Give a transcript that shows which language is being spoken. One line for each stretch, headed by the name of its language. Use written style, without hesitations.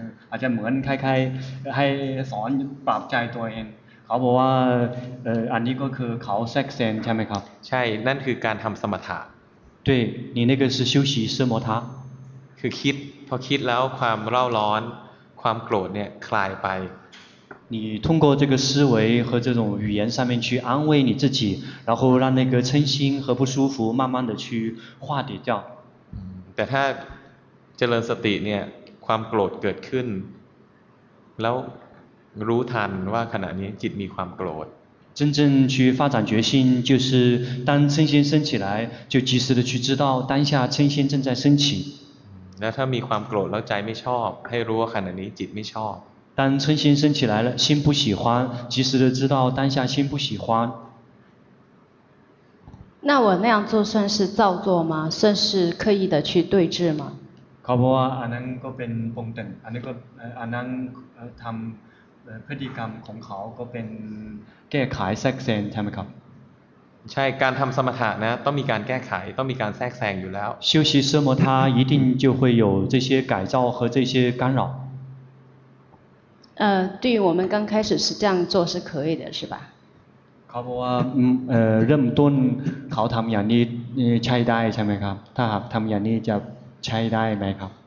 Thai: อาจจะเหมือนคล้ายๆให้สอนปรับใจตัวเองเขาบอกว่าอันนี้ก็คือเขาแทรกแซงใช่ไหมครับ ใช่นั่นคือการทำสมถะ
Chinese: 对你那个是修习奢摩他
Thai: คือคิดพอคิดแล้วความเร่าร้อนความโกรธเนี่ยคลายไป
Chinese: 你通过这个思维和这种语言上面去安慰你自己然后让那个嗔心和不舒服慢慢的去化解掉
Thai: แต่ถ้าเจริญสติเนี่ยความโกรธเกิดขึ้นแล้วรู้ทันว่าขณะนี้จิตมีความโกรธ
Chinese: 真正去发展决心就是当嗔心升起来就及时的去知道当下嗔心正在升起
Thai: แล้วถ้ามีความโกรธแล้วใจไม่ชอบให้รู้ว่าขณะนี้จิตไม่ชอบ
Chinese: 当嗔心升起来了心不喜欢及时的知道当下心不喜欢那我那样做算是造作吗算是刻意的去对峙吗
Thai: เขาบอกว่าอันนั้นก็เป็นปงแต่งอันนี้ก็อันนั้นทำพฤติกรรมของเขาก็เป็น แก้ไขแทรกแซงใช่ไหมครับ ใช่การทำสมถะนะต้องมีการแก้ไขต้องมีการแทรกแซงอยู่แล้ว
Chinese: 修习奢摩他一定就会有这些改造和这些干扰对于我们刚开始是这样做是可以的是吧
Thai: เขาบอกว่า เริ่มต้นเขาทำอย่างนี้ใช้ได้ใช่ไหมครับถ้าหากทำอย่างนี้จะใช้ได้ไหมครับ